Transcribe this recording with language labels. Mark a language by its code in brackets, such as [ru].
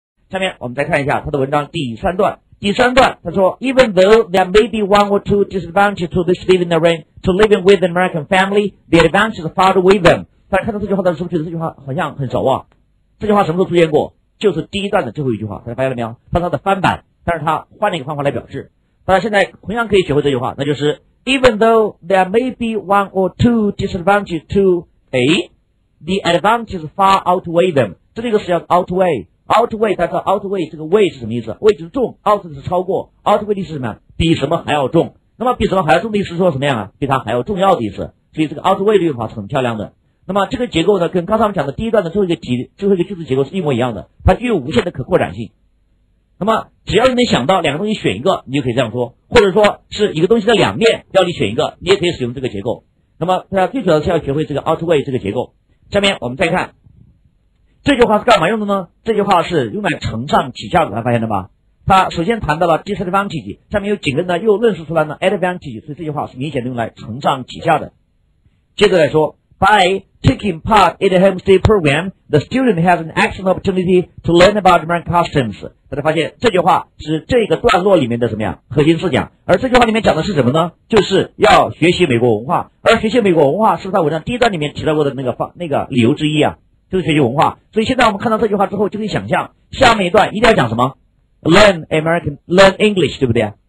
[zh] 下面我们再看一下他的文章第三段。第三段他说 [en] Even though there may be one or two disadvantages to this living arrangement, to living with an American family, the advantages far outweigh them. [zh] 大家看到这句话的时候觉得这句话好像很熟啊。这句话什么时候出现过？就是第一段的最后一句话，大家发现了没有？他说他的翻版，但是他换了一个方法来表示。大家现在同样可以学会这句话，那就是 [en] Even though there may be one or two disadvantages to A, the advantages far outweigh them. [zh] 这个是要 outweigh。Outweigh， 大家知道 outweigh 这个 weigh 是什么意思？ weigh 就是重， out 是超过， outweigh 的意思是什么？比什么还要重。那么比什么还要重的意思是说什么样啊？比它还要重要的意思。所以这个 outweigh 的用法是很漂亮的。那么这个结构呢，跟刚才我们讲的第一段的最后一个句子结构是一模一样的，它具有无限的可扩展性。那么只要你能想到两个东西选一个，你就可以这样说，或者说是一个东西的两面要你选一个，你也可以使用这个结构。那么大家最主要是要学会这个 outweigh 这个结构。下面我们再看这句话是干嘛用的呢？这句话是用来承上启下的，大家发现了吗？他首先谈到了 disadvantage， 下面又紧跟着又论述出来了 advantage， 所以这句话是明显的用来承上启下的。接着来说 [en] ，By taking part in the homestay program, the student has an excellent opportunity to learn about American customs。 [zh] 大家发现这句话是这个段落里面的什么呀？核心思想。而这句话里面讲的是什么呢？就是要学习美国文化，而学习美国文化是在文章第一段里面提到过的那个理由之一啊。就是学习文化，所以现在我们看到这句话之后，就可以想象下面一段一定要讲什么 ， [en] learn English， [zh] 对不对？